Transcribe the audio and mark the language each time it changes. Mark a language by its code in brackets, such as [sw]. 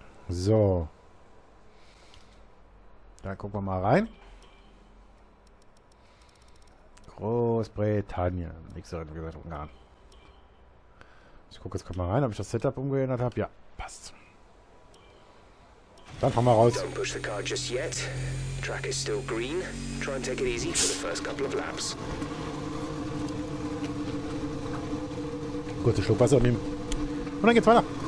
[de] So. Da gucken wir mal rein. Großbritannien. Nichts so, wie gesagt, Ungarn. Ich gucke jetzt gerade mal rein, ob ich das Setup umgeändert habe. Ja, passt. Dann fahren wir raus. [en] Don't push the car just yet. Track is still green. Try and take it easy for the first couple of laps. [de] Kurze Schluck Wasser nehmen. Und dann geht's weiter.